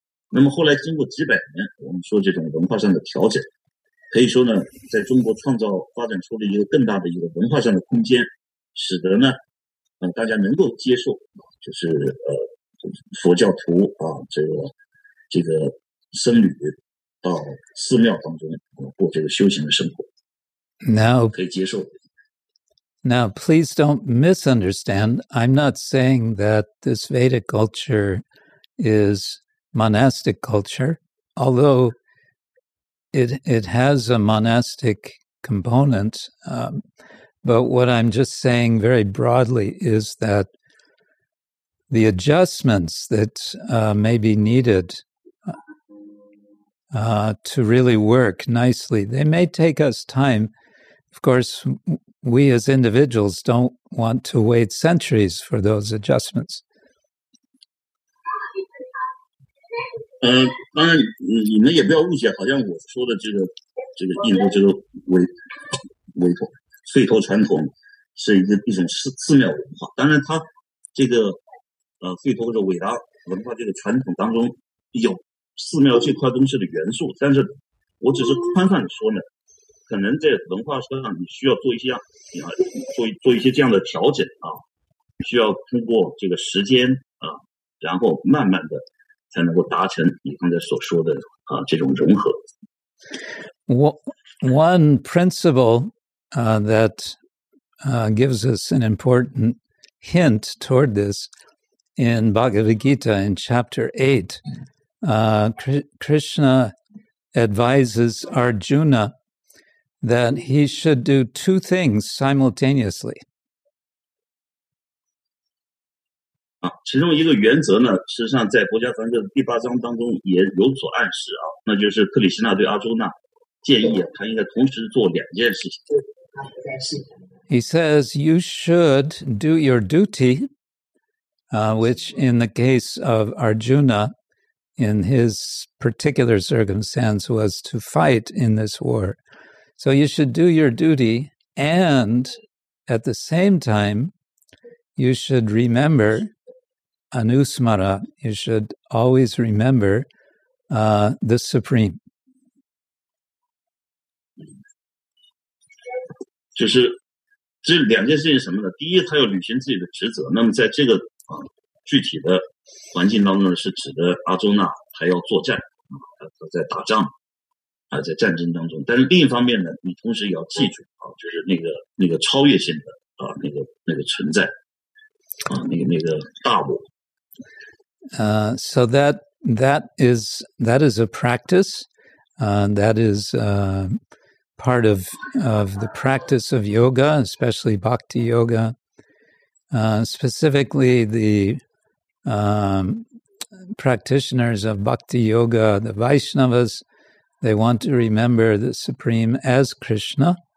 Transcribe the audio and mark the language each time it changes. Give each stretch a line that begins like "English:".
Chinese: 那么后来经过几百年我们说这种文化上的调整可以说呢在中国创造发展出了一个更大的一个文化上的空间使得呢大家能够接受就是佛教徒这个僧侣到寺庙当中过这个修行的生活。
English: Now,
Chinese: 可以接受。
English: Now, please don't misunderstand. I'm not saying that this Vedic culture is monastic culture, although it has a monastic component. But what I'm just saying very broadly is that the adjustments that may be needed to really work nicely, they may take us time. Of course, we as individuals don't want to wait centuries for those adjustments.
Chinese: 当然，你们也不要误解，好像我说的这个印度这个吠陀传统是一种寺庙文化。当然，它这个吠陀的伟大文化这个传统当中有寺庙这块东西的元素，但是我只是宽泛的说呢。可能在文化上你需要做一些这样的调整需要通过这个时间然后慢慢的才能够达成你刚才所说的这种融合。
English: One principle that gives us an important hint toward this in Bhagavad Gita in chapter 8, Krishna advises Arjuna that he should do two things simultaneously.
Chinese: 其中一个原则呢，实际上在《薄伽梵歌》第八章当中也有所暗示那就是克里希那对阿朱那建议他应该同时做两件事情。
English: He says you should do your duty, which in the case of Arjuna, in his particular circumstance, was to fight in this war. So you should do your duty, and at the same time, you should remember anusmara. You should always remember the Supreme.
Chinese: 就是这两件事情是什么呢？第一，他要履行自己的职责。那么在这个具体的环境当中呢，是指的阿周那还要作战啊，他在打仗啊，在战争当中。但是另一方面呢，你同时也要记住啊，就是那个超越性的啊，那个存在啊，那个大我。
English: So that is a practice. That is part of the practice of yoga, especially bhakti yoga. Specifically, the practitioners of bhakti yoga, the Vaishnavas, they want to remember the Supreme as Krishna.